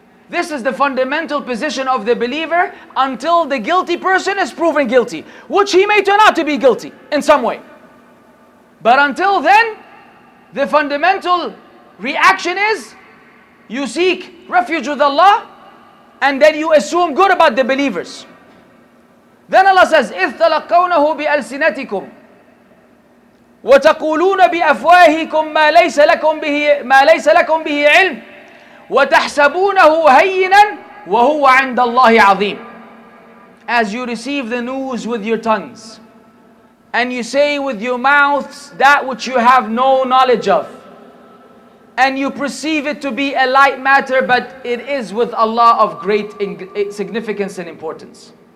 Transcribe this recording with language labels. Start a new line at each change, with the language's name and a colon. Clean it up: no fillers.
English: This is the fundamental position of the believer until the guilty person is proven guilty, which he may turn out to be guilty in some way. But until then, the fundamental reaction is you seek refuge with Allah and then you assume good about the believers. Then Allah says,
Arabic: إِذْ تَلَقَّوْنَهُ بِأَلْسِنَتِكُمْ وَتَقُولُونَ بِأَفْوَاهِكُمْ مَا لَيْسَ لَكُمْ بِهِ عِلْمٍ وَتَحْسَبُونَهُ هَيِّنًا وَهُوَ عِنْدَ اللَّهِ عَظِيمٍ.
English: As you receive the news with your tongues and you say with your mouths that which you have no knowledge of, and you perceive it to be a light matter, but it is with Allah of great significance and importance.